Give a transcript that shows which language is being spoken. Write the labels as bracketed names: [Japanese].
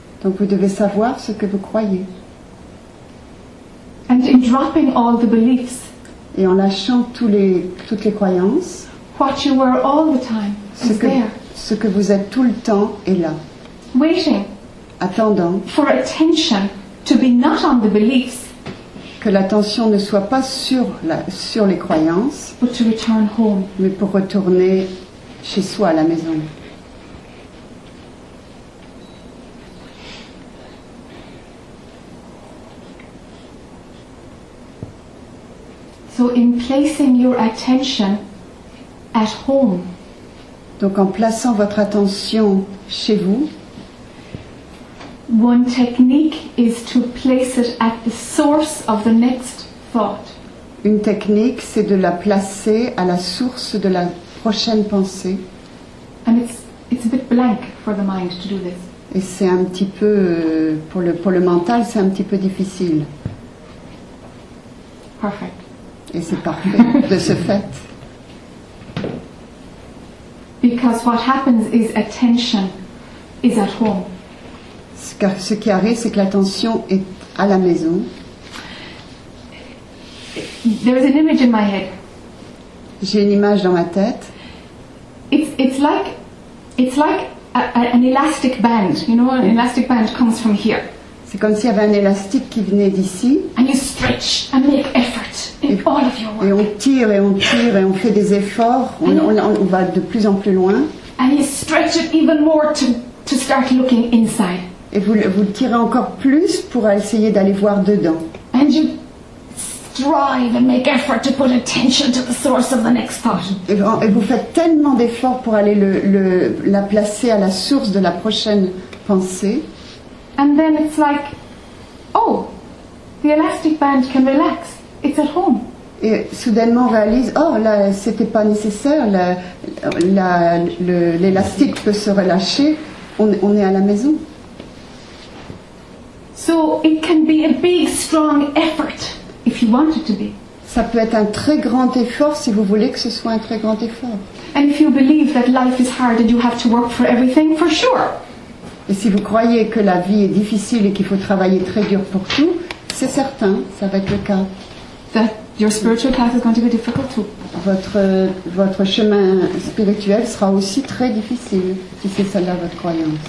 [French] Donc vous devez savoir ce que vous croyez. [English] And in dropping all the beliefs, [French] et en lâchant toutes les croyances, [English] what you were all the time [French] ce [English] is [French] que, [English] there. [French] Ce que vous êtes tout le temps est là. [English] Waiting. [French] Attendant. [English] For attention to be not on the beliefs. [French] Que l'attention ne soit pas sur les croyances, [English] but to return home. [French] Mais pour retourner chez soi à la maison. [English] So in placing your attention at home. [French] Donc en plaçant votre attention chez vous. [English] One technique is to place it at the source of the next thought. [French] Une technique, c'est de la placer à la source de la prochaine pensée. [English] And it's a bit blank for the mind to do this. [French] Et c'est un petit peu pour le mental, c'est un petit peu difficile. [English] Perfect. [French] Et c'est parfait de ce fait. [English] Because what happens is attention is at home. [French] Ce qui arrive, c'est que l'attention est à la maison. [English] There is an image in my head. [French] J'ai une image dans ma tête. [English] It's like an elastic band. You know, an elastic band comes from here. [French] C'est comme s'il y avait un élastique qui venait d'ici. [English] And you stretch and make effort in all of your work. [French] Et on tire et on tire et on fait des efforts. On va de plus en plus loin. [English] And you stretch it even more to start looking inside. [French] Et vous le tirez encore plus pour essayer d'aller voir dedans. [English] And you strive and make effort to put attention to the source of the next thought. [French] Et vous faites tellement d'efforts pour aller la placer à la source de la prochaine pensée. [English] And then it's like, oh, the elastic band can relax. It's at home. [French] Et soudainement on réalise, oh là, c'était pas nécessaire. L'élastique peut se relâcher. On est à la maison. [English] So it can be a big, strong effort if you want it to be. [French] Ça peut être un très grand effort si vous voulez que ce soit un très grand effort. [English] And if you believe that life is hard and you have to work for everything, for sure. [French] Et si vous croyez que la vie est difficile et qu'il faut travailler très dur pour tout, c'est certain, ça va être le cas. [English] That your spiritual path is going to be difficult too. [French] Votre chemin spirituel sera aussi très difficile, si c'est celle-là votre croyance.